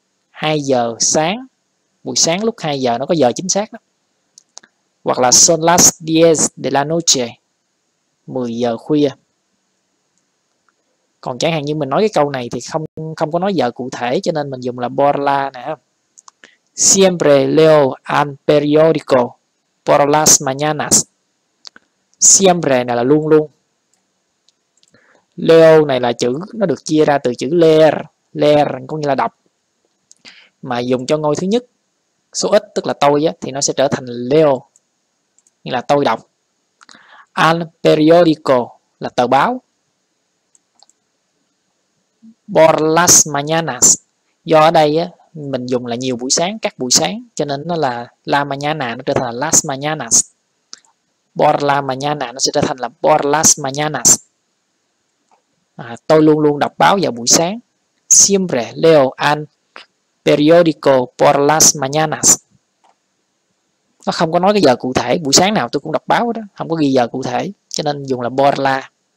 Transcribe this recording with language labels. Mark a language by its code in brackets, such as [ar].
[vi] 2 giờ sáng. Buổi sáng lúc 2 giờ, nó có giờ chính xác đó. Hoặc là [es] son las diez de la noche. [vi] 10 giờ khuya. Còn chẳng hạn như mình nói cái câu này thì không không có nói giờ cụ thể, cho nên mình dùng là por la nè. [es] Siempre leo al periódico por las mañanas. [vi] Siempre này là luôn luôn. Leo này là chữ, nó được chia ra từ chữ leer. Leer có nghĩa là đọc. Mà dùng cho ngôi thứ nhất, số ít tức là tôi á, thì nó sẽ trở thành leo, nghĩa là tôi đọc. Al periódico là tờ báo. Por las mañanas, do ở đây á, mình dùng là nhiều buổi sáng, các buổi sáng, cho nên nó là la mañana, nó trở thành là las mañanas. Por la mañana, nó sẽ trở thành là por las mañanas. À, tôi luôn luôn đọc báo vào buổi sáng. [es] Siempre leo al periódico por las mañanas. [vi] Nó không có nói cái giờ cụ thể, buổi sáng nào tôi cũng đọc báo đó, không có ghi giờ cụ thể, cho nên dùng là por la.